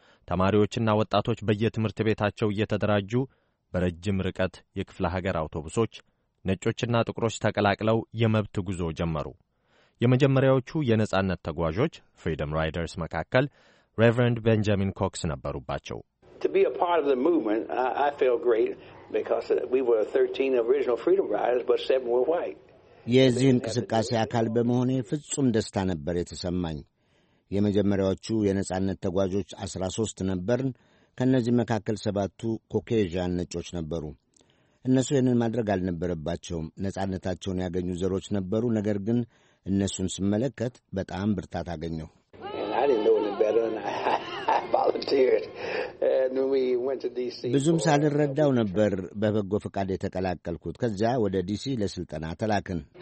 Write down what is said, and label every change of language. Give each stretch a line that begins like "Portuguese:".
Amharic: ተማሪዎችና ወጣቶች በየትምህርት ቤታቸው እየተደራጁ በረጅም ርቀት የክፍለ ሀገር አውቶቡሶች ነጮችና ጥቁሮች ተቀላቅለው የመብት ጉዞ ጀመሩ። የመጀመሪያዎቹ የነጻነት ተጓዦች ፍሪደም ራይደርስ መካከል Reverend Benjamin Cox ነበሩባቸው።
English: To be a part of the movement, I feel great because we were 13 original freedom riders but 7 were white.
Amharic: የዚህ እንቅስቃሴ አካል በመሆኔ ፍጹም ደስታ ነበር የተሰማኝ። የመጀመሪያዎቹ የነጻነት ተጓዦች 13 ነበርን። ከነዚህ መካከል 7ቱ ኮኬዥያን ነጮች ነበሩ። እነሱ ይህንን ማድረግ አልነበረባቸውም። ነጻነታቸውን ያገኙ ዘሮች ነበሩ። ነገር ግን እነሱን ስመለከት በጣም ብርታት አገኘሁ። ብዙም ሳልረዳው ነበር በበጎ ፈቃድ የተቀላቀልኩት። ከዚያ ወደ ዲሲ ለስልጠና ተላክን።